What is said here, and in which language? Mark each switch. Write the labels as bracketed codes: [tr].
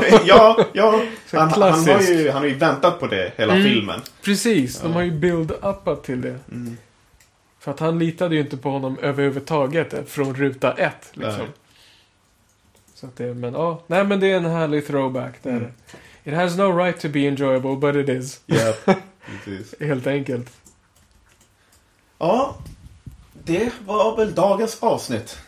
[sv] Ja. Han har ju väntat på det hela filmen. Precis, ja. De har ju build-upat till det. Mm. För att han litade ju inte på honom överhuvudtaget från ruta ett, liksom. Nej. Så att det, men det är en härlig throwback där. Mm. [en] It has no right to be enjoyable, but it is. Yep, it is. [sv] Helt enkelt. Ja, det var väl dagens avsnitt.